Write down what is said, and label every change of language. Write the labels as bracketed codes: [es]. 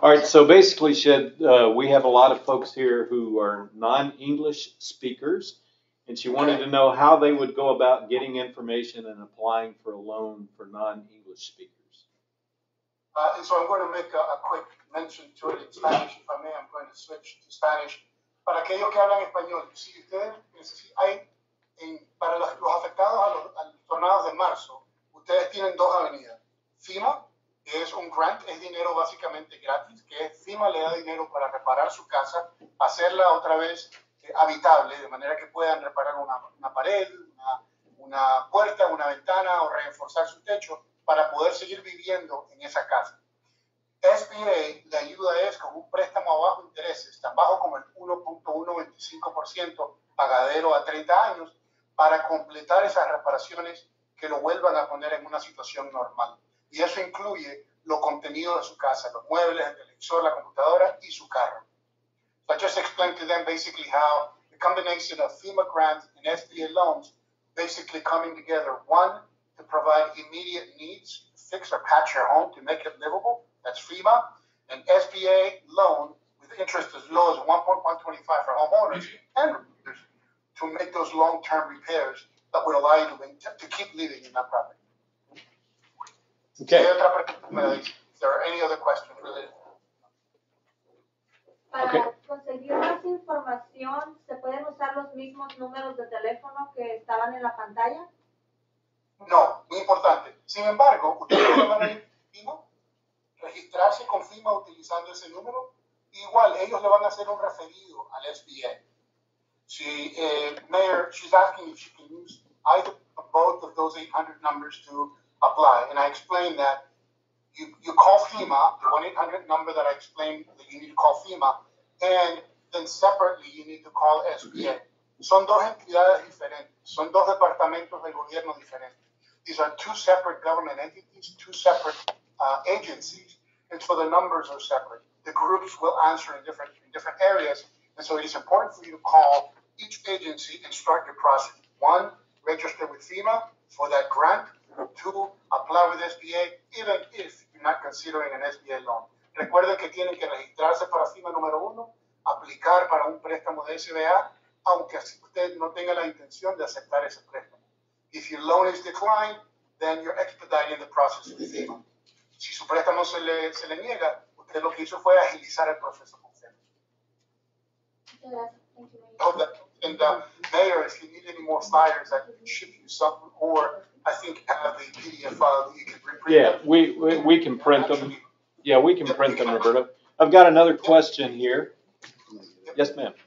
[en] All right, so basically, Shed, we have a lot of folks here who are non-English speakers. And she wanted to know how they would go about getting information and applying for a loan for non-English speakers. And so I'm going to make a quick mention to it in Spanish. If I may, I'm going to switch to Spanish. [es] Para aquellos que hablan español, si ustedes, si hay, para los afectados a los tornados de marzo, ustedes tienen dos avenidas. FEMA, que es un grant, es dinero básicamente gratis, que FEMA le da dinero para reparar su casa, hacerla otra vez habitable, de manera que puedan reparar una pared, una puerta, una ventana o reforzar su techo para poder seguir viviendo en esa casa. SBA, la ayuda es con un préstamo a bajo intereses, tan bajo como el 1.125% pagadero a 30 años para completar esas reparaciones que lo vuelvan a poner en una situación normal. y eso incluye lo contenido de su casa, los muebles, el televisor, la computadora y su carro. [en] So I just explained to them basically how the combination of FEMA grants and SBA loans basically coming together, one, to provide immediate needs, fix or patch your home to make it livable, that's FEMA, and SBA loan with interest as low as 1.125 for homeowners and renters to make those long-term repairs that would allow you to keep living in that property. Okay. If there are any other questions related. [es] Para conseguir más información, ¿se pueden usar los mismos números de teléfono que estaban en la pantalla? No, muy importante. Sin embargo, ustedes van a ir a FEMA, registrarse con FEMA utilizando ese número, igual ellos le van a hacer un referido al SBA. [en] Si, Mayor, she's asking if she can use either both of those 800 numbers to apply, and I explained that you call FEMA, the 1-800 number that I explained that you need to call FEMA, and then separately you need to call SBA. [es] Son dos entidades diferentes. Son dos departamentos del gobierno diferentes. [en] These are two separate government entities, two separate agencies, and so the numbers are separate. The groups will answer in different areas, and so it is important for you to call each agency and start your process. One, register with FEMA for that grant. To apply with SBA, even if you're not considering an SBA loan. [es] Recuerden que tienen que registrarse para FEMA número uno, aplicar para un préstamo de SBA, aunque usted no tenga la intención de aceptar ese préstamo. [en] If your loan is declined, then you're expediting the process with FEMA. [es] Si su préstamo se le niega, usted lo que hizo fue agilizar el proceso con FEMA. [en] And Mayor, if you need any more flyers, I can ship you some or I think have the PDF file that you can reprint. Yeah, we can print them. Yeah, we can print them, Roberto. I've got another question here. Yes, ma'am.